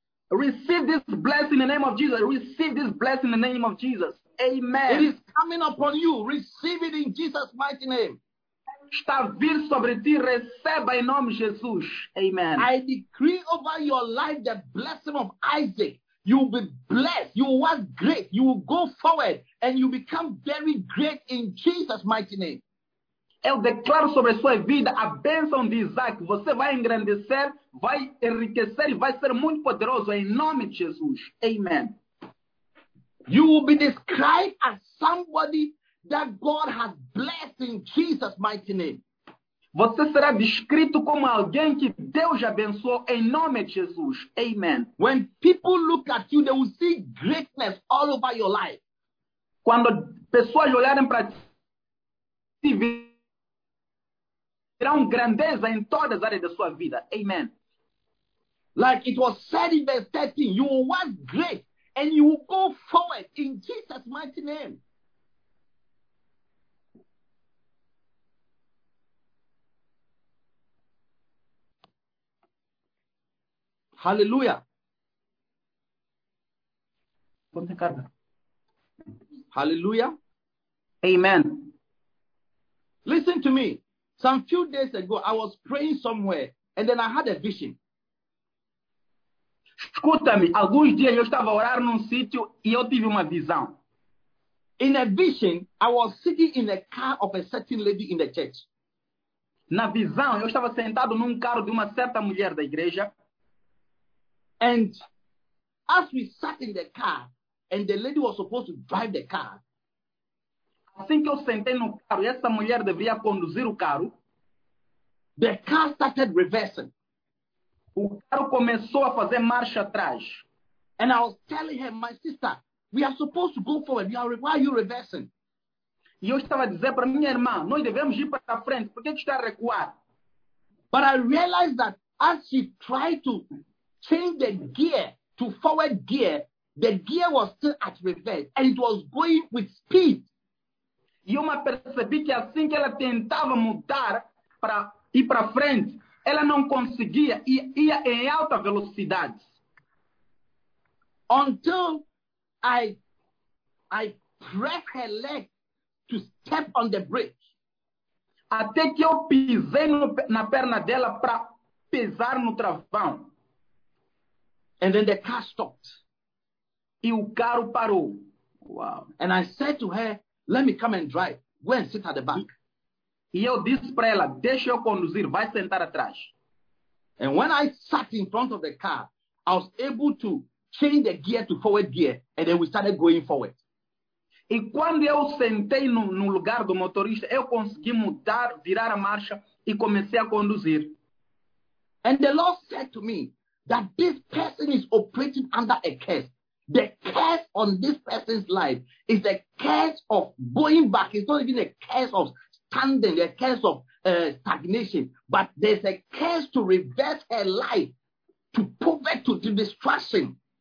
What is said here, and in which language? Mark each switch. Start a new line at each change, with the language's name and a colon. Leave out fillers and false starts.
English: Receive this blessing in the name of Jesus. Receive this blessing in the name of Jesus. Amen. It is coming upon you. Receive it in Jesus' mighty name.
Portuguese: Está vindo sobre ti, receba em nome de Jesus. Amen.
English: I decree over your life the blessing of Isaac. You will be blessed. You will work great. You will go forward and you become very great in Jesus' mighty name.
Portuguese: Eu declaro sobre a sua vida a bênção de Isaac. Você vai engrandecer, vai enriquecer e vai ser muito poderoso em nome de Jesus. Amen.
English: You will be described as somebody that God has blessed in Jesus' mighty name.
Portuguese: Você será descrito como alguém que Deus abençoou em nome de Jesus. Amen.
English: When people look at you, they will see greatness all over your life.
Portuguese: Quando pessoas olharem para ti, virão grandeza em todas as áreas da sua vida. Amen.
English: Like it was said in verse 13, you will work great and you will go forward in Jesus' mighty name. Hallelujah. Hallelujah. Amen. Listen to me. Some few days ago, I was praying somewhere, and then I had a vision.
Portuguese: Escuta-me. Alguns dias eu estava orando num sítio e eu tive uma visão.
English: In a vision, I was sitting in a car of a certain lady in the church.
Portuguese: Na visão, eu estava sentado num carro de uma certa mulher da igreja.
English: And as we sat in the car, and the lady was supposed to drive the car.
Portuguese: Assim que eu sentei no carro, essa mulher deveria conduzir o carro.
English: The car started reversing.
Portuguese: O carro começou a fazer marcha atrás.
English: And I was telling her, my sister, we are supposed to go forward. Why are you reversing?
Portuguese: E eu estava a dizer para minha irmã, nós devemos ir para frente. Por que está a recuar?
English: But I realized that as she tried to changed the gear to forward gear, the gear was still at reverse and it was going with speed.
Portuguese: Eu mă percebi că assim que ela tentava mudar para ir para frente, ela não conseguia e ia em alta velocidade.
English: Until I pressed her leg to step on the brake.
Portuguese: Até que eu pisei no, na perna dela para pisar no travão.
English: And then the car stopped.
Portuguese: E o carro parou.
English: Wow. And I said to her, let me come and drive. Go and sit at the back.
Portuguese: E eu disse para ela, deixa eu conduzir, vai sentar atrás.
English: And when I sat in front of the car, I was able to change the gear to forward gear, and then we started going forward.
Portuguese: E quando eu sentei no, no lugar do motorista, eu consegui mudar, virar a marcha e comecei a conduzir.
English: And the Lord said to me that this person is operating under a curse. The curse on this person's life is the curse of going back. It's not even a curse of standing, a curse of stagnation, but there's a curse to reverse her life, to pivot to the destruction.